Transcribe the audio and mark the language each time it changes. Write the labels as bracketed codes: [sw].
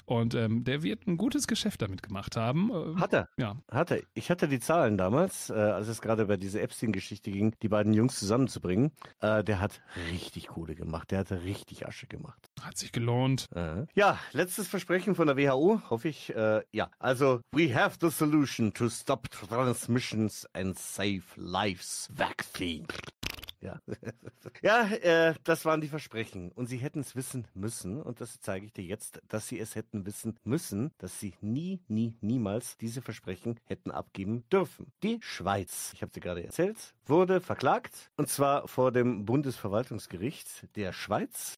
[de] Und der wird ein gutes Geschäft damit gemacht haben. Hat er. Ja. Hat er. Ich hatte die Zahlen damals, als es gerade über diese Epstein-Geschichte ging, die beiden Jungs zusammenzubringen. Der hat richtig Kohle gemacht. Der hat richtig Asche gemacht. Hat sich gelohnt. Ja, letztes Versprechen von der WHO, hoffe ich. Ja, also, [en] we have the solution to stop transmissions and save lives. Vaccine. [de] Ja, das waren die Versprechen. Und sie hätten es wissen müssen, und das zeige ich dir jetzt, dass sie es hätten wissen müssen, dass sie niemals diese Versprechen hätten abgeben dürfen. Die Schweiz, ich habe dir gerade erzählt, wurde verklagt, und zwar vor dem Bundesverwaltungsgericht der Schweiz.